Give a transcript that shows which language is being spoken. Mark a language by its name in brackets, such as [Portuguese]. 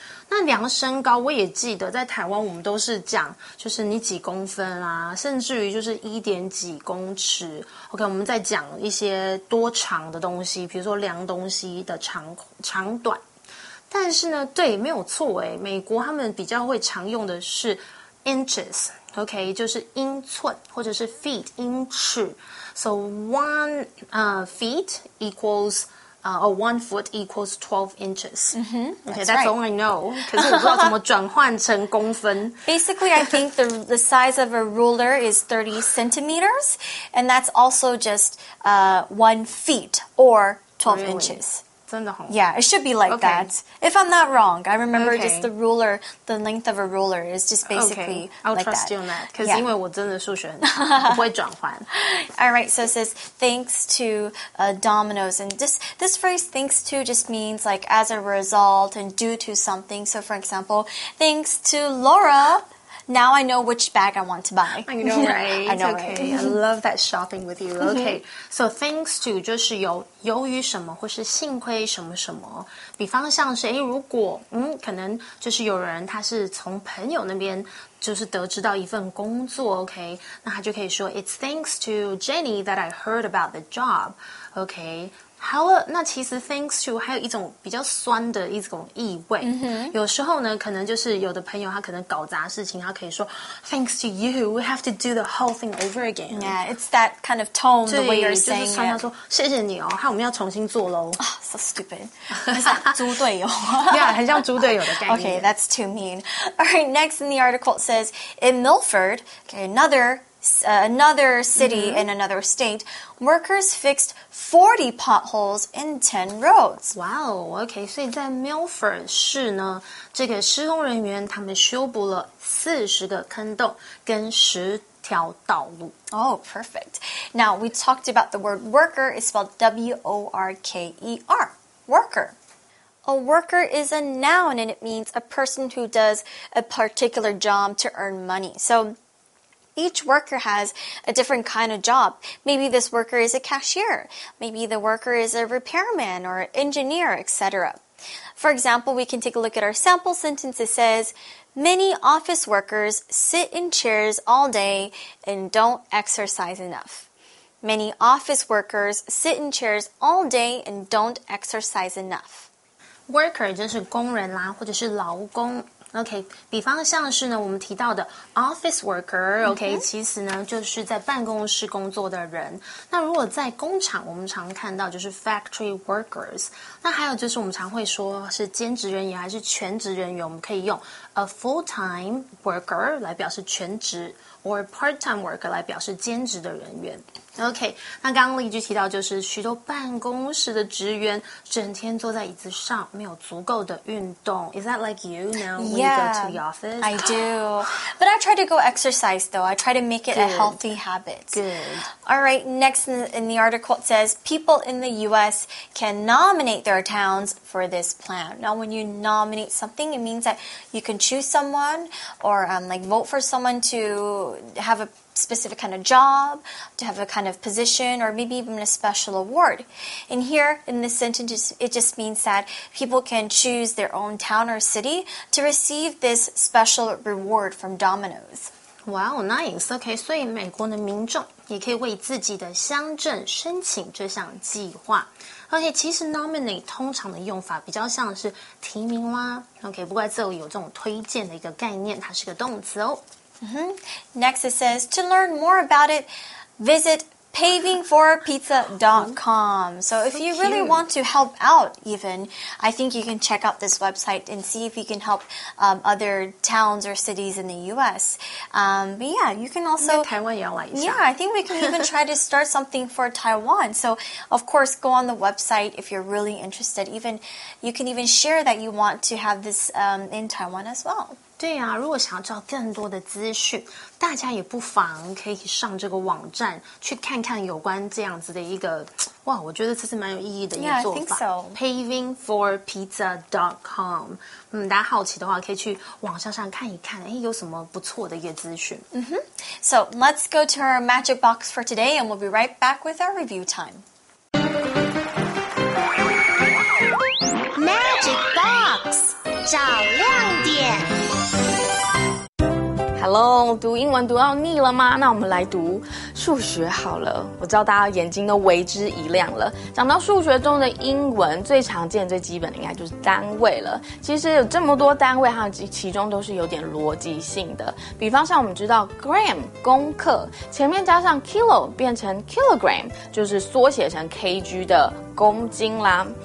[Chinese] 那量身高我也记得在台湾我们都是讲就是你几公分啊甚至于就是一点几公尺 OK 我们在讲一些多长的东西比如说量东西的长短但是呢对没有错诶美国他们比较会常用的是 inches OK 就是英寸或者是 feet 英尺 [English] So one feet equalsOr 1 foot equals 12 inches. Mm-hmm, that's all I know. [Chinese] 可是我不知道怎么转换成公分。 [English] Basically, I think the size of a ruler is 30 centimeters, and that's also just 1 feet or 12 really? inches. [Chinese] 真的好。 [English] Yeah, it should be like that. If I'm not wrong, I remember just the ruler, the length of a ruler is just basically like that. I'll trust you on that, because [Chinese] 因为我真的数学很差，我不会转换。 [English] All right, so it says, thanks to Domino's. And this phrase, thanks to, just means like as a result and due to something. So for example, thanks to Laura, now I know which bag I want to buy. I know, right? I know, right? I love that shopping with you. [Chinese] Okay, so thanks to 就是由于什么或是幸亏什么什么比方像是如果可能就是有人他是从朋友那边就是得知到一份工作 OK 那他就可以说 [English] It's thanks to Jenny that I heard about the job [Chinese] OK 好了那其实 thanks to 还有一种比较酸的一种意味、 [English] mm-hmm. [Chinese] 有时候呢可能就是有的朋友他可能搞砸事情他可以说 [English] Thanks to you We have to do the whole thing over again Yeah it's that kind of tone The way you're saying it [Chinese] 就是酸他说谢谢你哦我们要重新做咯、 [English] oh, So stupid [Chinese] 很像猪队友 Yeah 很像猪队友的概念 [English] Okay that's too mean Alright next in the article it says In Milford Okay another city、mm-hmm. in another state Workers fixed 40 potholes in 10 roads [Chinese] Wow Okay 所以在 Milford 市呢这个施工人员他们修补了40个坑洞跟10条道路 [English] Oh, perfect. Now, we talked about the word worker. It's spelled W-O-R-K-E-R. Worker. A worker is a noun, and it means a person who does a particular job to earn money. So... Each worker has a different kind of job. Maybe this worker is a cashier. Maybe the worker is a repairman or an engineer, etc. For example, we can take a look at our sample sentence. It says, many office workers sit in chairs all day and don't exercise enough. Many office workers sit in chairs all day and don't exercise enough. [Chinese] Worker 就是工人啦，或者是劳工。OK， 比方像是呢，我们提到的 office worker，OK，、okay, mm-hmm. 其实呢就是在办公室工作的人。那如果在工厂，我们常看到就是 factory workers。那还有就是我们常会说是兼职人员还是全职人员，我们可以用 a full-time worker 来表示全职 ，or part-time worker 来表示兼职的人员。 OK， 那刚刚例句提到就是许多办公室的职员整天坐在椅子上，没有足够的运动。 [English] Is that like you now? Yeah, you go to the office? I do. But I try to go exercise though. I try to make it a healthy habit. Good. All right, next in the article it says, people in the U.S. can nominate their towns for this plan. Now when you nominate something, it means that you can choose someone or like vote for someone to have a... specific kind of job, to have a kind of position, or maybe even a special award. And here, in this sentence, it just means that people can choose their own town or city to receive this special reward from Domino's. Wow, nice. [Chinese] Okay, 所以美国的民众也可以为自己的乡镇申请这项计划。而且其实 nominate 通常的用法比较像是提名啦。 Okay, 不过这里有这种推荐的一个概念，它是个动词哦。 [English] Mm-hmm. Next it says, to learn more about it, visit pavingforpizza.com. So if you really want to help out even, I think you can check out this website and see if you can help other towns or cities in the U.S. But yeah, you can also... Yeah, I think we can even try to start something for Taiwan. So of course, go on the website if you're really interested. Even, you can even share that you want to have this in Taiwan as well. [Chinese] 对啊，如果想要知道更多的资讯，大家也不妨可以上这个网站去看看有关这样子的一个，哇，我觉得这是蛮有意义的一个做法。 [English] Yeah, I think so. [Chinese] Pavingforpizza.com， 大家好奇的话可以去网上上看一看，哎，有什么不错的一个资讯。 [English] Mm-hmm. So let's go to our magic box for today, and we'll be right back with our review time. [Chinese] Magic box， 找亮点。 Hello， 读英文读到腻了吗？那我们来读数学好了。我知道大家眼睛都为之一亮了。讲到数学中的英文，最常见、最基本的应该就是单位了。其实有这么多单位，它其中都是有点逻辑性的。比方像我们知道 gram 公克，前面加上 kilo 变成 kilogram， 就是缩写成 kg 的公斤啦。